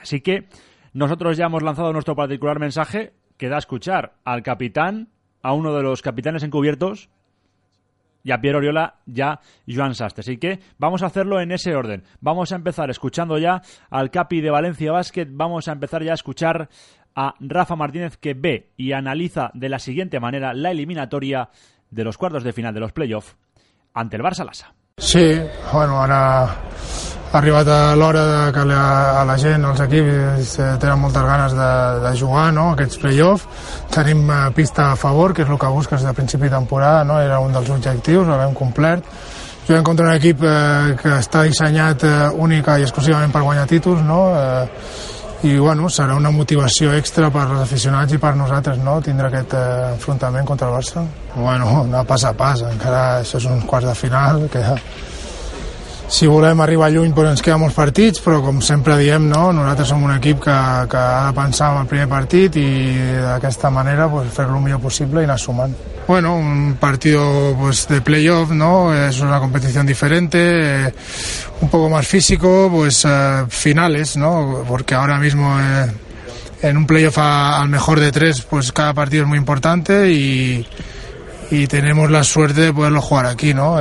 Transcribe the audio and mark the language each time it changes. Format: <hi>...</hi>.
<es>Así que nosotros ya hemos lanzado nuestro particular mensaje, que da a escuchar al capitán, a uno de los capitanes encubiertos, y a Pierre Oriola, ya Joan Sastre. Así que vamos a hacerlo en ese orden. Vamos a empezar escuchando ya al capi de Valencia Basket. Vamos a empezar ya a escuchar a Rafa Martínez, que ve y analiza de la siguiente manera la eliminatoria de los cuartos de final de los playoffs ante el Barça-Lasa.</es> <ca>Sí, bueno, ara ha arribat a l'hora de que a la gent, els equips, tenen moltes ganes de jugar, no?, aquests play-offs. Tenim pista a favor, que és el que busques de principi de temporada, no?, era un dels objectius, l'hem complert. Juguem contra un equip que està dissenyat única i exclusivament per guanyar títols, no?, i bueno, serà una motivació extra per als aficionats i per nosaltres, no?, tindre aquest enfrontament contra el Barça. Bueno, anar pas a pas, encara això és un quart de final, que si volem arribar lluny, doncs ens queden molts partits, però com sempre diem, no?, nosaltres som un equip que ha de pensar en el primer partit i d'aquesta manera pues, fer-lo el millor possible i anar sumant.</ca> <es>Bueno, un partido pues de playoff, ¿no? Es una competición diferente, un poco más físico, pues finales, ¿no? Porque ahora mismo en un playoff al mejor de tres, pues cada partido es muy importante y tenemos la suerte de poderlo jugar aquí, ¿no?</es>